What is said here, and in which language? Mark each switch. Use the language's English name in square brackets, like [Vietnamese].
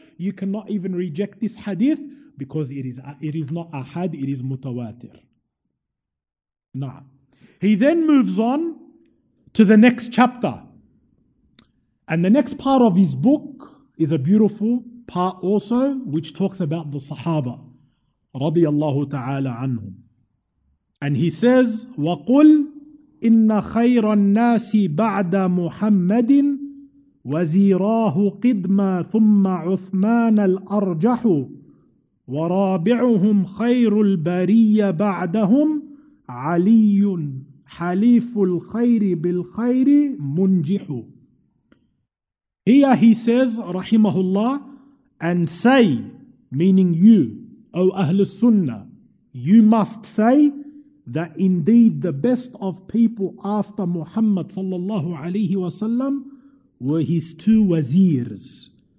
[English] You cannot even reject this hadith because it is not ahad, it is mutawatir. Nah. He then moves on to the next chapter. And the next part of his book is a beautiful part also, which talks about the Sahaba radiallahu ta'ala anhum. And he says, [Arabic] وَقُلْ إِنَّ خَيْرَ النَّاسِ بَعْدَ مُحَمَّدٍ وزيراه قدما ثم عثمان الأرجح ورابعهم خير البرية بعدهم علي حليف الخير بالخير منجح. [English] Here he says, رحمه الله, and say, meaning you, O أهل السنة, you must say that indeed the best of people after Muhammad صلى الله عليه وسلم were his two wazirs.